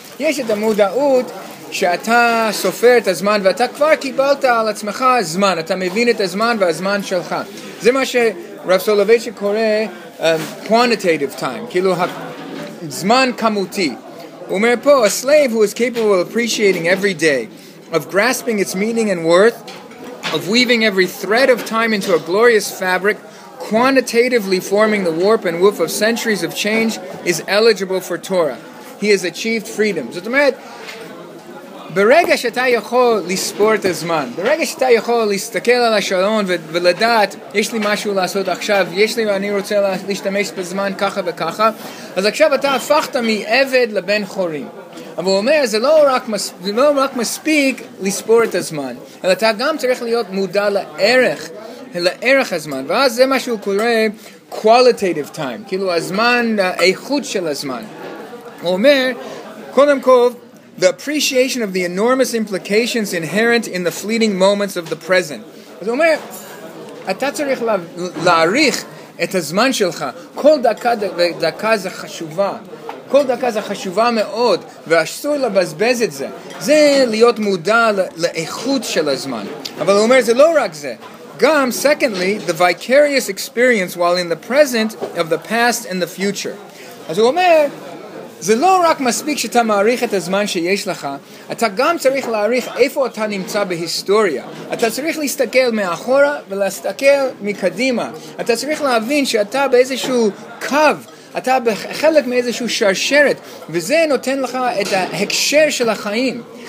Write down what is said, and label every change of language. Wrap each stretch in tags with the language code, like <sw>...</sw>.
<he>יש את המודעות שאתה סופר את הזמן ואתה כבר קיבלת על עצמך זמן, אתה מבין את הזמן והזמן שלך. זה מה שרב סולובייצ'יק קורא</he> <en>quantitative time,</en> <he>כאילו זמן כמותי. אומר פה,</he> <en>a slave who is capable of appreciating every day, of grasping its meaning and worth, of weaving every thread of time into a glorious fabric, quantitatively forming the warp and woof of centuries of change, is eligible for Torah. He has achieved freedom.</en> <he>זאת אומרת, ברגע שאתה יכול לספור את הזמן, ברגע שאתה יכול להסתכל על השעון ולדעת, יש לי משהו לעשות עכשיו, יש לי ואני רוצה להשתמש בזמן ככה וככה, אז עכשיו אתה הפכת מעבד לבן חורים. אבל הוא אומר, זה לא רק מספיק לספור את הזמן, אלא אתה גם צריך להיות מודע לערך הזמן. ואז זה מה שהוא קורא</he> <en>qualitative time,</en> <he>כאילו הזמן, האיכות של הזמן. הוא אומר, קודם כל,</he> <en>the appreciation of the enormous implications inherent in the fleeting moments of the present.</en> <he>אז הוא אומר, אתה צריך להעריך את הזמן שלך. כל דקה ודקה זה חשובה. כל דקה זה חשובה מאוד, ואסור לבזבז את זה. זה להיות מודע לאיכות של הזמן. אבל הוא אומר, זה לא רק זה. גם,</he> <en>secondly, the vicarious experience while in the present of the past and the future.</en> <he>אז הוא אומר, זה לא רק מספיק שאתה מעריך את הזמן שיש לך, אתה גם צריך להעריך איפה אתה נמצא בהיסטוריה. אתה צריך להסתכל מאחורה ולהסתכל מקדימה. אתה צריך להבין שאתה באיזשהו קו, אתה בחלק מאיזשהו שרשרת, וזה נותן לך את ההקשר של החיים.</he>